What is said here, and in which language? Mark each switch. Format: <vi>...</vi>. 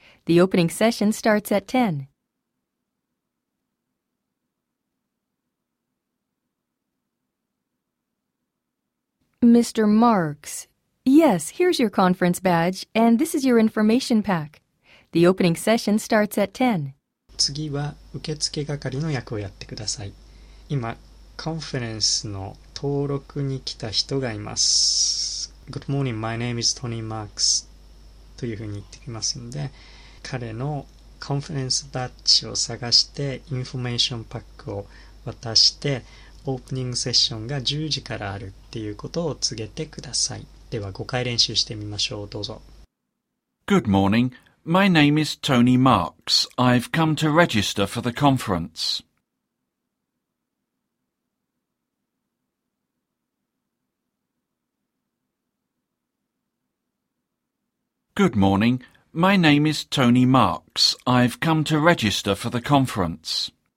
<en>The opening session starts at 10. Mr. Marks. Yes, here's your conference badge, and this is your information pack. The opening session starts at 10.</en> <ja>次は受付係の役をやってください。今、コンフェレンスの登録に来た人がいます。</ja> <en>Good morning, my name is Tony Marks.</en> <ja>というふうに言ってきますので、彼のコンフェレンスバッジを探して、インフォメーションパックを渡して、オープニングセッションが10時からあるっていうことを告げてください。では5回練習してみましょう。どうぞ。</ja> <en>Good morning. My name is Tony Marks. I've come to register for the conference. Good morning. My name is Tony Marks. I've come to register for the conference.</en>